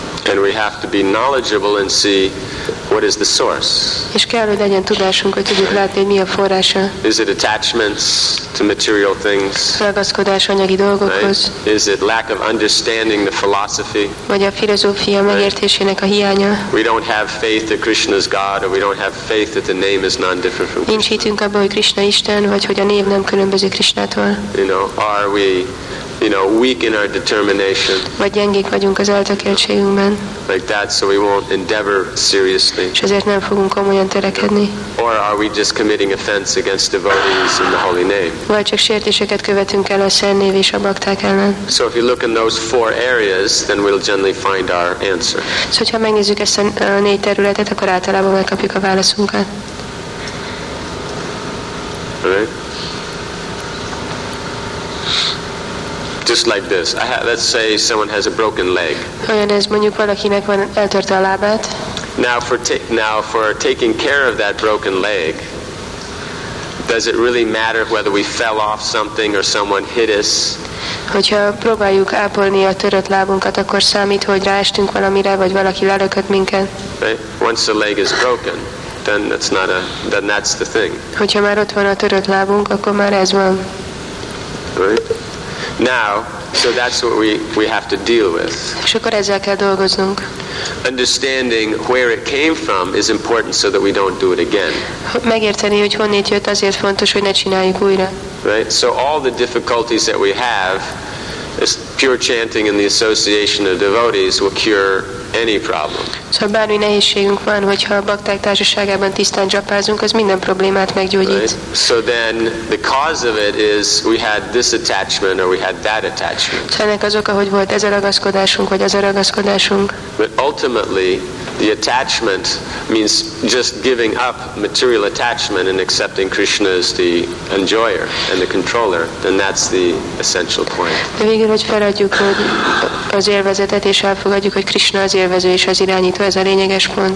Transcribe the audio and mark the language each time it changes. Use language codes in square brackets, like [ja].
[en] And we have to be knowledgeable and see what is the source. [hu] És kell, hogy legyen tudásunk, hogy tudjuk látni, mi a forrása. [en] Is it attachments to material things? [hu] Ragaszkodás anyagi dolgokhoz. [en] Right? Is it lack of understanding the philosophy? [hu] Vagy a filozófia megértésének a hiánya. [en] We don't have faith that Krishna is God, or we don't have faith that the name is non-different from Krishna. [hu] Nincs hitünk abban, hogy Krishna Isten, vagy hogy a név nem különböző Krishnától. [en] You know, are we, you know, weak in our determination. [hu] Vagy gyengék vagyunk az eltökéltségünkben. [en] Like that, so we won't endeavor seriously. [hu] És ezért nem fogunk komolyan törekedni. [en] Or are we just committing offense against devotees in the holy name? [hu] Vagy csak sértéseket követünk el a szent név és a bakták ellen. [en] So if you look in those four areas, then we'll generally find our answer. [hu] Szóval, hogyha megnézzük ezt a négy területet, akkor általában megkapjuk a válaszunkat. [en] Right? just like this. I have, let's say someone has a broken leg. [hu] Olyan ez, mondjuk valakinek van, eltörte a lábát. [en] Now for taking care of that broken leg, does it really matter whether we fell off something or someone hit us? [hu] Hogyha próbáljuk ápolni a törött lábunkat, akkor számít, hogy ráestünk valamire, vagy valaki lelökött minket. [en] Right? Once the leg is broken, then that's not a, then that's the thing. [hu] Hogyha már ott van a törött lábunk, akkor már ez van. [en] Right? Now, so that's what we have to deal with. [hu] És akkor ezzel kell dolgoznunk. [en] Understanding where it came from is important so that we don't do it again. [hu] Megérteni, hogy honnét jött, azért fontos, hogy ne csináljuk újra. [en] Right? So all the difficulties that we have, is pure chanting in the association of devotees will cure any problem. [hu] Szóval bármi nehézségünk van, hogyha a bakták társaságában tisztán dzsapázunk, az minden problémát meggyógyít. [en] Right? So then the cause of it is we had this attachment or we had that attachment. [hu] Szóval ennek az oka, hogy volt ez a ragaszkodásunk, vagy az a ragaszkodásunk. [en] But ultimately the attachment means just giving up material attachment and accepting Krishna as the enjoyer and the controller, then that's the essential point. [hu] De végül, hogy feladjuk hogy az élvezetet, és elfogadjuk, hogy Krishna az élvező és az irányító, ez a lényeges pont.